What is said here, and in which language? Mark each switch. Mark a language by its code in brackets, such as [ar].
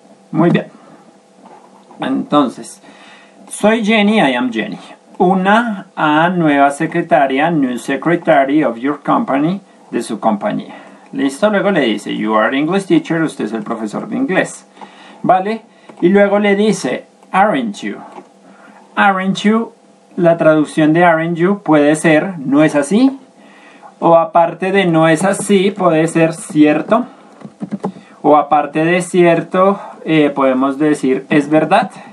[es] Muy bien. Entonces, soy Jenny, [en] I am Jenny. [es] Una a nueva secretaria, [en] new secretary of your company, [es] de su compañía. ¿Listo? Luego le dice, [en] you are English teacher, [es] usted es el profesor de inglés. ¿Vale? Y luego le dice, [en] aren't you? Aren't you, [es] la traducción de [en] aren't you [es] puede ser, ¿no es así? O aparte de no es así, puede ser cierto. O aparte de cierto, podemos decir, ¿es verdad?